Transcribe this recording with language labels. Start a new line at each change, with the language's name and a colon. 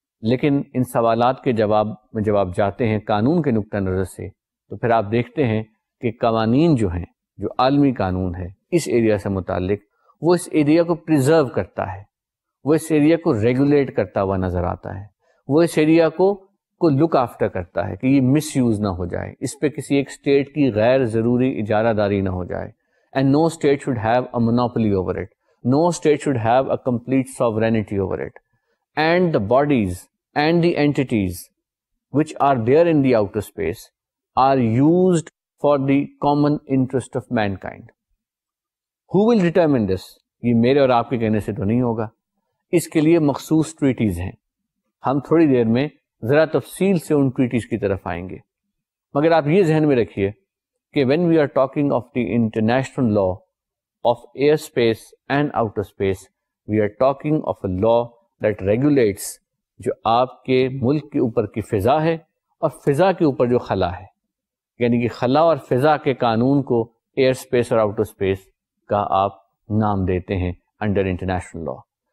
Urdu: لیکن ان سوالات کے جواب میں جب آپ جاتے ہیں قانون کے نقطہ نظر سے, تو پھر آپ دیکھتے ہیں کہ قوانین جو ہیں, جو عالمی قانون ہے اس ایریا سے متعلق, وہ اس ایریا کو پریزرو کرتا ہے, وہ اس ایریا کو ریگولیٹ کرتا ہوا نظر آتا ہے, وہ اس ایریا کو لک آفٹر کرتا ہے کہ یہ مس یوز نہ ہو جائے, اس پہ کسی ایک اسٹیٹ کی غیر ضروری اجارہ داری نہ ہو جائے.
English: And no state should have a monopoly over it, no state should have a complete sovereignty over it. And the bodies and the entities which are there in the outer space are used for the common interest of mankind. Who will determine this,
Urdu: یہ میرے اور آپ کے کہنے سے تو نہیں ہوگا, اس کے لیے مخصوص ٹریٹیز ہیں. ہم تھوڑی دیر میں ذرا تفصیل سے ان ٹریٹیز کی طرف آئیں گے, مگر آپ یہ ذہن میں رکھیے کہ
English: when we are talking of the international law of airspace and outer space, we are talking of a law that regulates
Urdu: جو آپ کے ملک کے اوپر کی فضا ہے اور فضا کے اوپر جو خلا ہے, یعنی کہ خلا اور فضا کے قانون کو ایئر اسپیس اور آؤٹر اسپیس کا آپ نام دیتے ہیں انڈر انٹرنیشنل لاء.